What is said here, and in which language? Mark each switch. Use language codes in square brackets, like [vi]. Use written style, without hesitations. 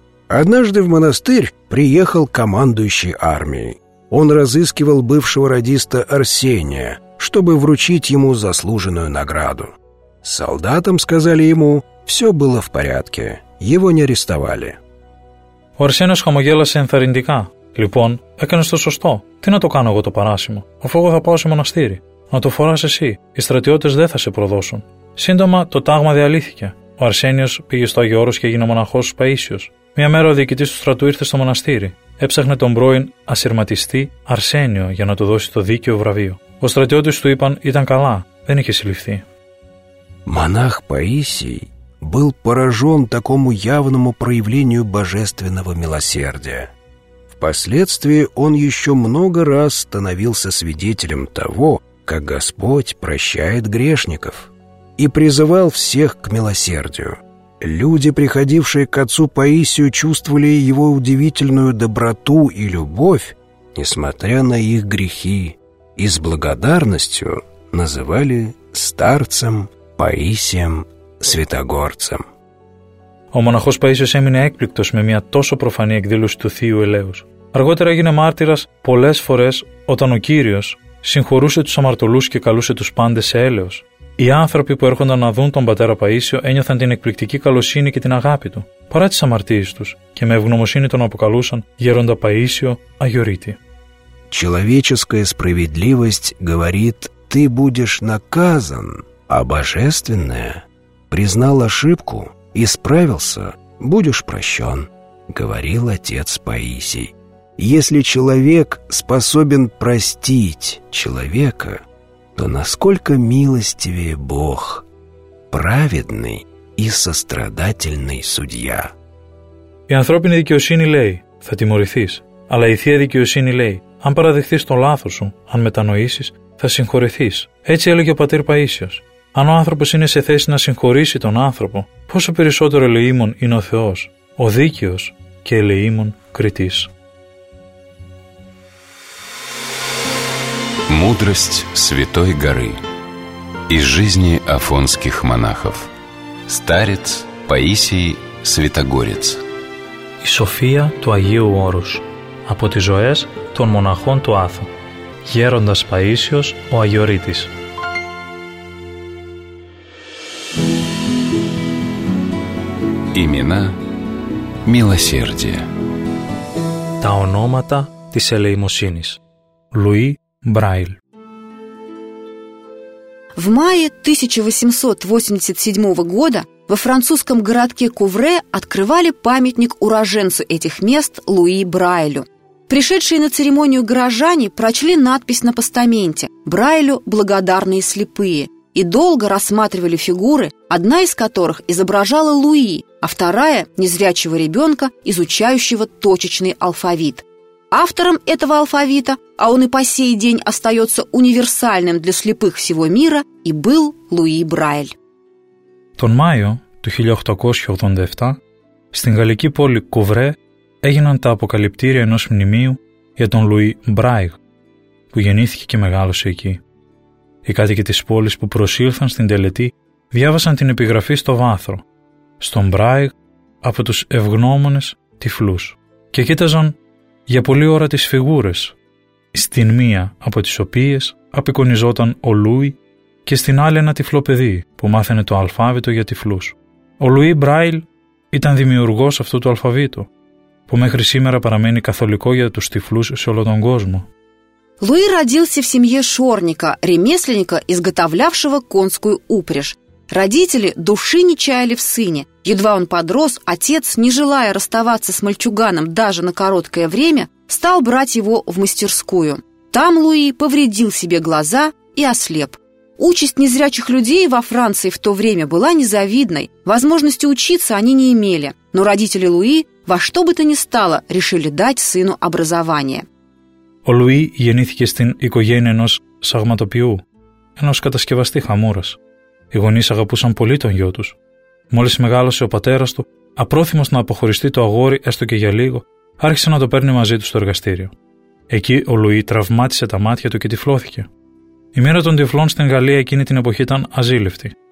[ru] Однажды в монастырь приехал командующий армией. Он разыскивал бывшего радиста Арсения, чтобы вручить ему заслуженную награду. Солдатам сказали ему, все было в порядке, его не арестовали. [el] Ο Αρσένιος χαμογέλασε ενθαρρυντικά. «Λοιπόν, έκανες το σωστό. Τι να το κάνω εγώ το παράσημο, αφού εγώ θα πάω σε μοναστήρι. Να το φοράς εσύ, οι στρατιώτες δεν θα σε προδώσουν». Σύντομα το τάγμα διαλύθηκε. Ο Αρσένιος πήγε στο Άγιο Όρος και έγινε μοναχός Παΐσιος. Μια μέρα ο διοικητής του στρατού ήρθε στο μοναστήρι. Έψαχνε τον πρώην ασυρματιστή Αρσένιο για να του δώσει το δίκαιο βραβείο. Ο στρατιώτης του είπαν ήταν καλά, δεν είχε συλληφθεί. [ru] Монах Паисий был поражен такому явному проявлению божественного милосердия. Впоследствии он еще много раз становился свидетелем того, как Господь прощает грешников, и призывал всех к милосердию. Люди, приходившие к отцу Паисию, чувствовали его удивительную доброту и любовь, несмотря на их грехи, и с благодарностью называли старцем Паисием Святогорцем. [el] Ο μοναχός Παΐσιος έμεινε έκπληκτος με μια τόσο προφανή εκδήλωση του Θείου Ελέους. Αργότερα έγινε μάρτυρας πολλές φορές όταν ο Κύριος συγχωρούσε τους αμαρτωλούς και καλούσε τους πάντες σε έλεος. Οι άνθρωποι που έρχονταν να δουν τον πατέρα Παΐσιο ένιωθαν την εκπληκτική καλοσύνη και την αγάπη του, παρά τις αμαρτίες τους, και με ευγνωμοσύνη τον αποκαλούσαν γέροντα Παΐσιο Αγιορείτη. [ru] Человеческая справедливость говорит: ты будешь наказан, а божественная признал ошибку, исправился, будешь прощен, говорил отец Паисий. Если человек способен простить человека, то насколько милостивее Бог, праведный и сострадательный судья. [el] Η ανθρώπινη δικαιοσύνη λέει, θα τιμωρηθείς, αλλά η θεία δικαιοσύνη λέει, αν παραδεχθείς το λάθος σου, αν μετανοήσεις, θα συγχωρεθείς. Έτσι έλεγε ο πατήρ Παΐσιος. Αν ο άνθρωπος είναι σε θέση να συγχωρήσει τον άνθρωπο, πόσο περισσότερο ελεήμων είναι ο Θεός, ο δίκαιος και ελεήμων κριτής. [ru] Мудрость Святой Горы из жизни афонских монахов. Старец Паисий Святогорец. [el] Η σοφία του Αγίου Όρους από τις ζωές των μοναχών του Άθου. Γέροντας Παΐσιος, ο Αγιορείτης. [ru] Имена милосердия. [el] Та ономата тис элеймосинис. Луи Брайль. [ru] В мае 1887 года во французском городке Кувре открывали памятник уроженцу этих мест Луи Брайлю. Пришедшие на церемонию горожане прочли надпись на постаменте «Брайлю благодарные слепые» и долго рассматривали фигуры, одна из которых изображала Луи, а вторая – незрячего ребенка, изучающего точечный алфавит. Автором этого алфавита, а он и по сей день остается универсальным для слепых всего мира, и был Луи Брайль. [el] Τον Μάιο του 1887, στην γαλλική πόλη Κουβρέ, έγιναν τα αποκαλυπτήρια ενός μνημείου για τον Λουί Μπράιγ, που γεννήθηκε και μεγάλωσε εκεί. Οι κάτοικοι της πόλης που προσήλθαν στην τελετή διάβασαν την επιγραφή στο βάθρο, στον Μπράιγ από τους ευγνώμονες τυφλούς, και κοίταζαν για πολλή ώρα τις φιγούρες, στην μία από τις οποίες απεικονιζόταν ο Λουί και στην άλλη ένα τυφλό παιδί που μάθαινε το αλφάβητο για τυφλούς. Ο Λουί Μπράιλ ήταν δημιουργός αυτού του αλφαβήτου, που μέχρι σήμερα παραμένει καθολικό για τους τυφλούς σε όλο τον κόσμο. [ru] Λουί родился в семье шорника, ремесленника, изготовлявшего конскую упряжь. Родители души не чаяли в сыне. Едва он подрос, отец, не желая расставаться с мальчуганом даже на короткое время, стал брать его в мастерскую. Там Луи повредил себе глаза и ослеп. Участь незрячих людей во Франции в то время была незавидной. Возможности учиться они не имели. Но родители Луи во что бы то ни стало решили дать сыну образование. [el] Ο Луи γεννήθηκε στην οικογένεια ενός σαγματοποιού, ενός κατασκευαστή χαμούρας. Οι γονείς αγαπούσαν πολύ τον γιο τους. Μόλις μεγάλωσε ο πατέρας του, απρόθυμος να αποχωριστεί το αγόρι έστω και για λίγο, άρχισε να το παίρνει μαζί του στο εργαστήριο. Εκεί ο Λουί τραυμάτισε τα μάτια του και τυφλώθηκε. Η μοίρα των τυφλών στην Γαλλία εκείνη την εποχή ήταν αζήλευτη.